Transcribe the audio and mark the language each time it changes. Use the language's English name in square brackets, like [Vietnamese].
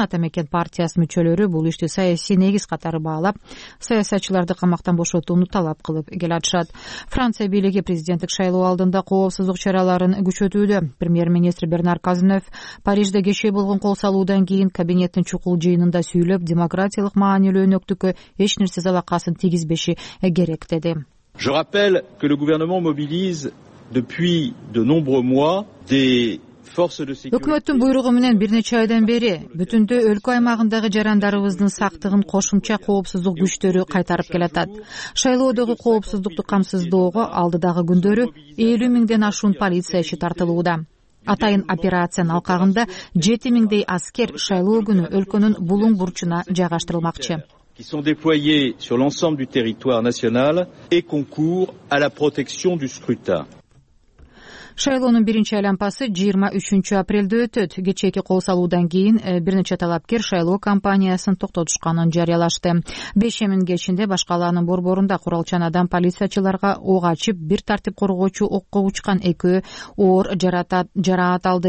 [Kyrgyz] Атамекен партиясынын мүчөлөрү бул ишти саясий негиз катары баалап, саясатчыларды камактан бошотууну талап кылып келатышат. Франция бийлиги президенттик шайлоо алдында коопсуздук чараларын күчөтүүдө. Премьер министр Бернар Казынев Парижде кечээ болгон кол салуудан кийин кабинеттин чукул жыйынында сүйлөп, демократиялык маанилүү өнөктүккө эч нерсе залакасын тийгизбеши керек деди. [French] Je rappelle que le gouvernement mobilise depuis de nombreux mois des [Kyrgyz] Өкмөттүн буйругу менен бир нече айдан бери бүтүндө өлкө аймагындагы жарандарыбыздын сактыгын кошумча коопсуздук күчтөрү кайтарып келатат. Шайлоодогу коопсуздукту камсыздоого алдыдагы күндөрү 50 000 ашуун полициячы тартылууда. Атайын операциянын алкагында 7 000 аскер шайлоо күнү өлкөнүн булуң бурчуна жайгаштырылмакчы. [French] Qui sont déployés sur l'ensemble du territoire national et concourent à la protection du scrutin. [Kyrgyz] Шайлоонун 1-айлампасы 23 апрелде өтөт. Кечээки кол салуудан кийин бир нече талапкер шайлоо кампаниясын токтотушканын жарыялашты. 5 000 ичинде башкалаанын борборунда курал чанадан полициячыларга ок ачып, бир тартип коргоочу окко учкан экөө оор жараат алды.